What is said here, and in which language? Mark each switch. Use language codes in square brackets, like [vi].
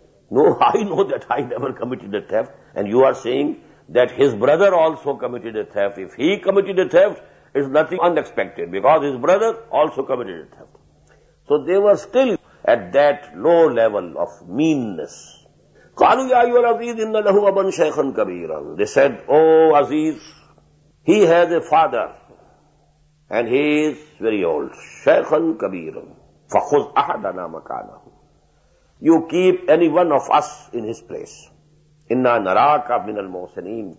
[en] No, I know that I never committed a theft. And you are saying that his brother also committed a theft. If he committed a theft, it's nothing unexpected, because his brother also committed a theft. So they were still at that low level of meanness. [ar] قَالُوا يَا أَيُّهَا الْعَزِيزِ إِنَّ لَهُ أَبًا شَيْخًا كَبِيرًا. [en] They said, oh Aziz, he has a father and he is very old. [ar] شَيْخًا كَبِيرًا. فَخُذْ أَحَدَنَا مَكَانَهُ. [en] You keep any one of us in his place. [ar] Inna naraka min al mohsaneen.